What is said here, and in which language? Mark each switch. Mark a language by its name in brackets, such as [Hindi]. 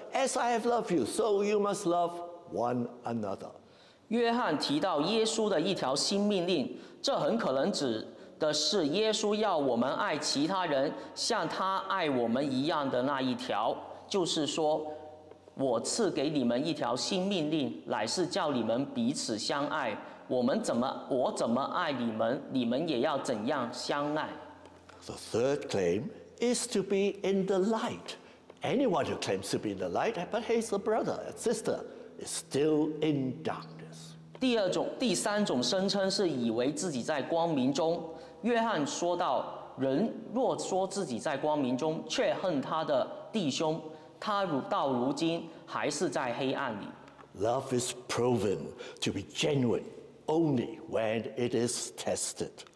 [English] As I have loved you, so you must love one another. [Chinese] 约翰提到耶稣的一条新命令，这很可能指的是耶稣要我们爱其他人像他爱我们一样的那一条，就是说，我赐给你们一条新命令，乃是叫你们彼此相爱。我怎么爱你们，你们也要怎样相爱。 [English] The third claim is to be in the light. Anyone who claims to be in the light but hates a brother or sister is still in darkness. [Chinese] 第三种声称是以为自己在光明中。约翰说道，人若说自己在光明中，却恨他的弟兄，他到如今还是在黑暗里。 [English] Love is proven to be genuine only when it is tested.